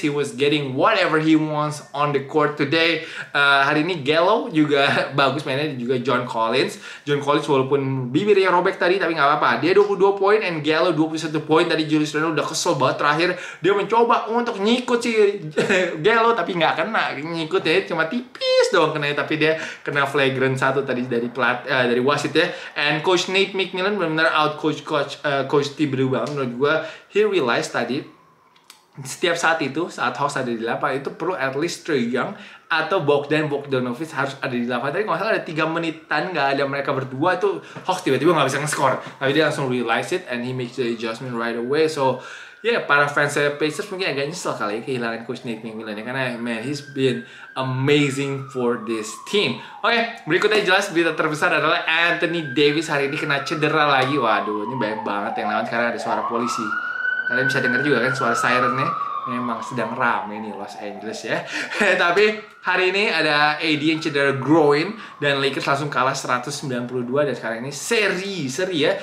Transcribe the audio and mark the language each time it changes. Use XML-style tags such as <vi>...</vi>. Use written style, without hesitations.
<en>He was getting whatever he wants on the court today.</en> <id>Hari ini Gallo juga bagus mainnya. Dan juga John Collins walaupun bibirnya robek tadi, tapi gak apa-apa. Dia 22 point and Gallo 21 point. Tadi Julius Randle udah kesel banget terakhir. Dia mencoba untuk nyikut si Gallo, tapi gak kena. Nyikutnya cuma tipis doang kena. Tapi dia kena flagrant 1 tadi dari wasit ya.</id> <en>And coach</en> <id>Nate McMillan benar-benar out coach Thibodeau banget menurut gue.</id> <en>He realized</en> <id>tadi setiap saat itu saat Hawks ada di lapangan itu perlu</id> <en>at least</en> <id>Trae Young atau Bogdanovic harus ada di lapangan. Tadi kalau salah ada 3 menitan gak ada mereka berdua itu Hawks tiba-tiba gak bisa nge-score. Tapi dia langsung</id> <en>realize it and he makes the adjustment right away. So yeah,</en> <id>para fans Pacers mungkin agak nyesel kali ya kehilangan coach Nate McMillan ya. Karena</id> <en>man, he's been amazing for this team.</en> <id>Oke, berikutnya jelas berita terbesar adalah Anthony Davis hari ini kena cedera lagi. Waduh, ini banyak banget yang lawan karena ada suara polisi. Kalian bisa dengar juga kan suara sirennya. Memang sedang ramai nih Los Angeles ya. Tapi hari ini ada AD yang cedera groin dan Lakers langsung kalah 192 dan sekarang ini seri ya.</id>